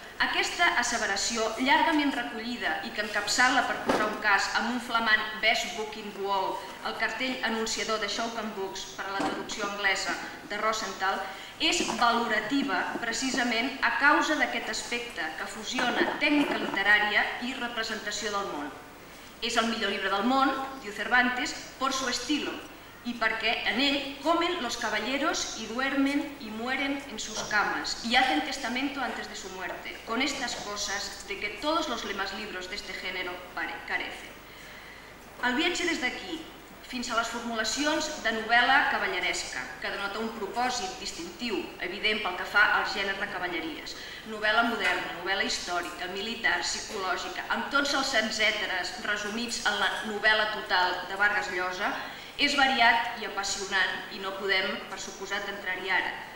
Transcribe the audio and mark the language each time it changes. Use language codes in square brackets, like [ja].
[ca] Aquesta asseveració, llargament recollida i que encapçala per posar un cas amb un flamant Best Book in the World, el cartell anunciador de Shoken Books per a la traducció anglesa de Rosenthal, és valorativa precisament a causa d'aquest aspecte que fusiona tècnica literària i representació del món. És el millor llibre del món, diu Cervantes, [es] por su estilo, [ca] i perquè en ell [es] comen los caballeros y duermen y mueren en sus camas y hacen testamento antes de su muerte, con estas cosas de que todos los demás libros de este género carecen. [ca] El viatge des d'aquí fins a les formulacions de novel·la cavalleresca, que denota un propòsit distintiu, evident pel que fa als gèneres de cavalleries. Novel·la moderna, novel·la històrica, militar, psicològica, amb tots els etcèteres resumits en la novel·la total de Vargas Llosa, és variat i apassionant i no podem, per suposat, entrar-hi ara.